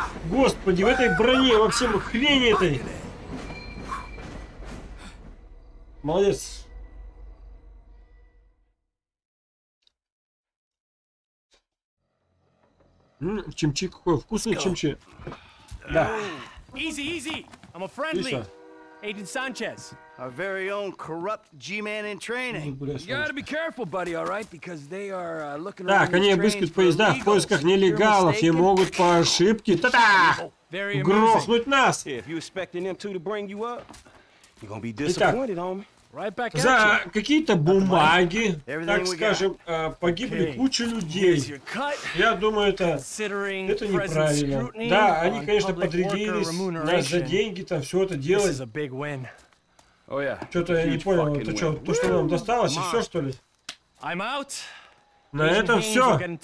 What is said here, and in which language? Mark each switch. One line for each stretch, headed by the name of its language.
Russian: В этой броне, во всем хрени этой. Молодец. Чимчи какой вкусный чимчи. Да.
English: Easy. I'm a friendly. Agent Sanchez. Our very own corrupt G-man in training. You gotta be careful, buddy, all right? Because they are looking.
Russian: Так, они обыскивают поезда в поисках нелегалов и могут по ошибке. Та-та! Грохнуть нас.
English: If you expecting them to bring you up, you're gonna be disappointed, homie.
Russian: За какие-то бумаги, так скажем, погибли куча людей. Я думаю, это неправильно. Да, они, конечно, подрядились нас за деньги, там все это делать. Что-то я не понял, это что, то, что нам досталось, и все, что ли? На этом все.